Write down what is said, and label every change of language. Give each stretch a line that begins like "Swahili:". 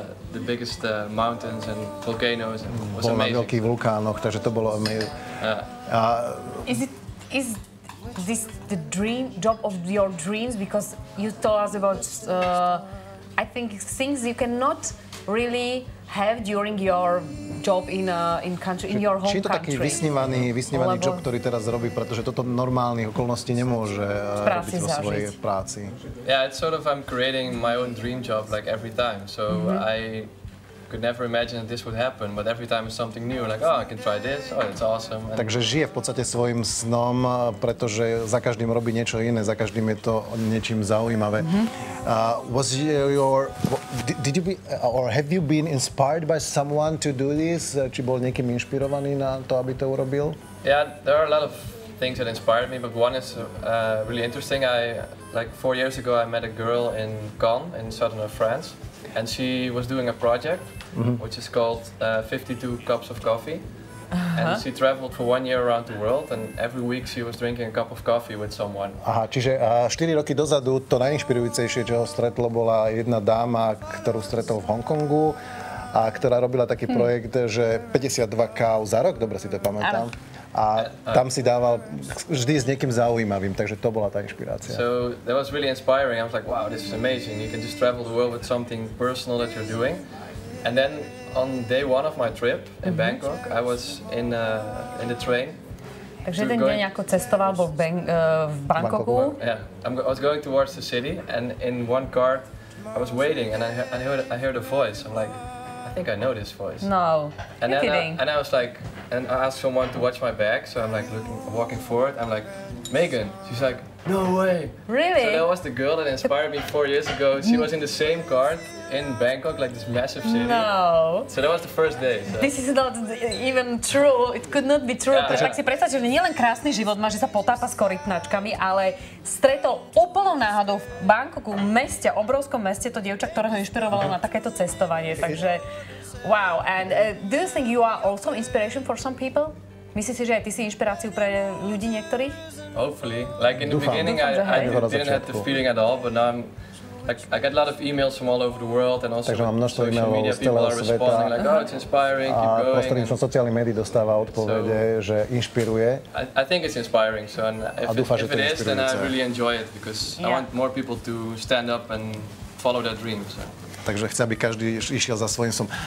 English: the biggest mountains and volcanoes, and was amazing.
Slovak: Na veľkých vulkánoch, takže to bolo amazing.
English: Is this the dream job of your dreams? Because you told us about I think things you cannot really have during your job in country, in your home country.
Slovak: Či to taký vysnívaný job, ktorý teraz robí, pretože toto normálnych okolností nemôže robiť vo svojej práci.
English: Yeah, it's sort of I'm creating my own dream job like every time, so I could never imagine that this would happen, but every time is something new, like, oh, I can try this, oh, it's awesome.
Slovak: Takže žije v podstate svojim snom, pretože za každým robí niečo iné, za každým je to niečím zaujímavé.
English: Was your, did you be, or have you been inspired by someone to do this?
Slovak: Či bol niekým inšpirovaný na to, aby to urobil?
English: Yeah, there are a lot of things that inspired me, but one is really interesting. Like 4 years ago, I met a girl in Caen, in southern France. And she was doing a project, which is called 52 Cups of Coffee. And she traveled for 1 year around the world, and every week she was drinking a cup of coffee with someone.
Slovak: Aha, čiže 4 roky dozadu to najinšpirujúcejšie, čo ho stretlo, bola jedna dáma, ktorú stretol v Hongkongu, a ktorá robila taký projekt, že 52 káv za rok, dobre si to pamätám. A tam si dával vždy s niekým zaujímavým, takže to bola tá inšpirácia.
English: So that was really inspiring. I was like, wow, this is amazing. You can just travel the world with something personal that you're doing. And then on day one of my trip in Bangkok, I was in the train.
Slovak: Takže ten deň ako cestoval bol v Bangkoku.
English: Yeah, I was going towards the city and in one car I was waiting and I heard a voice. I'm like, I think I know this voice. No, and you're kidding. And I was like, and I asked someone to watch my back, so I'm like looking, walking forward. I'm like, Megan. She's like, no way. Really? So that was the girl that inspired me 4 years ago. She was in the same car in Bangkok, like this massive city. No. So that was the first day. So. This is not even true. It could not be true. Yeah.
Slovak: Tak si predstavte, že nie len krásny život má, že sa potápa s korytnačkami, ale stretol úplnou náhodou v Bangkoku, meste, obrovskom meste, to dievča, ktoré ho inšpirovalo na takéto cestovanie. Takže...
English: Wow, and do you think you are also inspiration for some people?
Slovak: Myslíš si, že aj ty si inšpiráciu pre ľudí niektorých?
English: Hopefully. Like in the beginning I didn't have the feeling at all, but now I'm... Like, I got a lot of emails from all over the world and also
Slovak: takže mám
English: social media, people are responding
Slovak: sveta.
English: Like, oh, it's inspiring, keep going.
Slovak: A prostredníctvom sociálnych médií dostáva odpovede, so, že inšpiruje.
English: I think it's inspiring, so and if it is, then I really enjoy it, because I want more people to stand up and follow their dreams.
Slovak: Takže chce, aby každý išiel za svojím som.